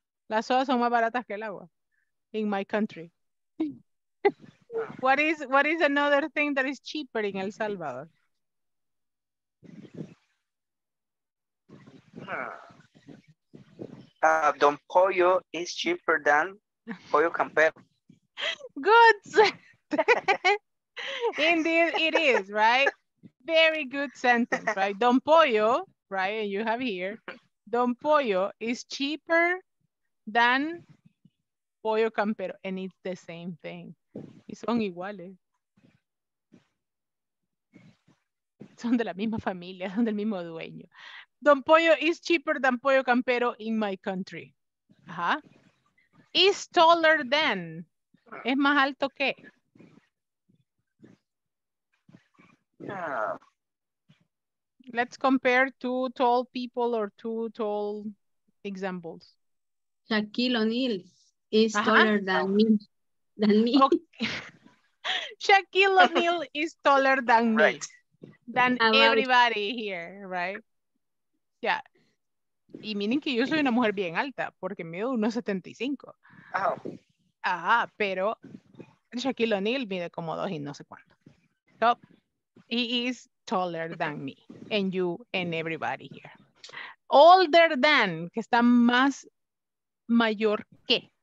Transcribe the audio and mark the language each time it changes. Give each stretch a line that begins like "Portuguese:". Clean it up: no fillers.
Spanish: Las sodas son más baratas que el agua
English: in my country. What is another thing that is cheaper in El Salvador? Don Pollo is cheaper than Pollo Campero. Goods. Indeed, it is, right? Very good sentence, right? Don Pollo, right? You have here. Don Pollo is cheaper than Pollo Campero. And it's the same thing.
Spanish: Son iguales. Son de la misma familia, son del mismo dueño.
English: Don Pollo is cheaper than Pollo Campero in my country.
Spanish: Ajá.
English: Is taller than.
Spanish: Es más alto que.
English: Yeah. Let's compare two tall people or two tall examples. Shaquille O'Neal is taller than me. Okay. Shaquille O'Neal is taller than me. Right. Than everybody here, right? Yeah.
Spanish: Y miren que yo soy una mujer bien alta porque mido 1.75. Oh. Ah, pero Shaquille O'Neal mide como 2 y no sé cuánto.
English: So, he is taller than me and you and everybody here. Older than,
Spanish: que está más mayor que.